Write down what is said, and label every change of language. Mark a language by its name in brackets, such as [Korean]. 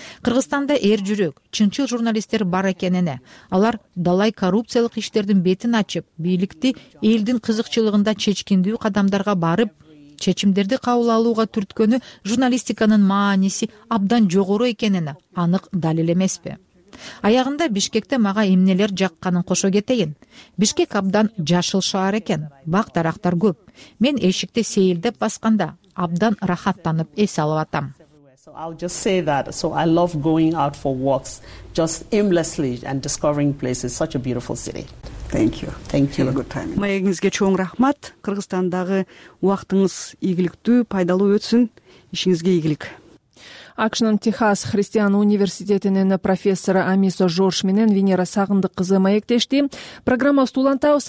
[Kyrgyz] Кыргызстанда эр жүрөк, чынчыл журналисттер бар экенине, алар далай коррупциялык иштердин бетин ачып, бийликти элдин кызыкчылыгында чечкиндүү кадамдарга барып, чечимдерди кабыл алууга түрткөнү журналистиканын мааниси абдан жогору экенине анык далил эмеспи? Аягында Бишкекте мага эмнелер жакканын кошо кетейин. Бишкек абдан жашыл шаар экен, бак дарактар көп. Мен эшикте сейилдеп басканда абдан рахаттанып эс алып атам. [English] So I love going out for walks just aimlessly and discovering places. Such a beautiful city. Thank you. Good timing. [Kyrgyz] Маегиңизге чоң рахмат. Кыргызстандагы убактыңыз ийгиликтүү, пайдалуу өтсүн. Ишиңизге ийгилик. АКШ-нын Техас Христиан университетинин профессору Амиса Жорж менен Венера Сагындык кызы маектешти. Программа улантабыз.